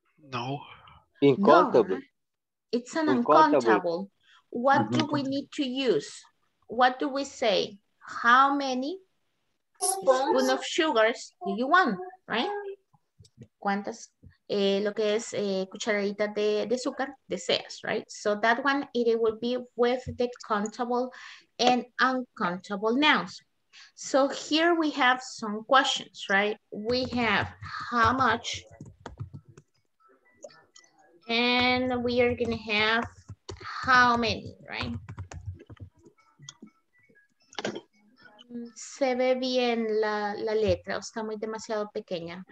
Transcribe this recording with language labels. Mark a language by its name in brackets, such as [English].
[English] No, it's an uncountable. What do we need to use? What do we say? How many spoons of sugars do you want, right? [Spanish] ¿Cuántas lo que es cucharaditas de azúcar deseas, right? [English] So that one, it will be with the countable and uncountable nouns. So here we have some questions, right? We have how much, and we are gonna have how many, right? [Spanish] Se ve bien la letra, o está muy demasiado pequeña.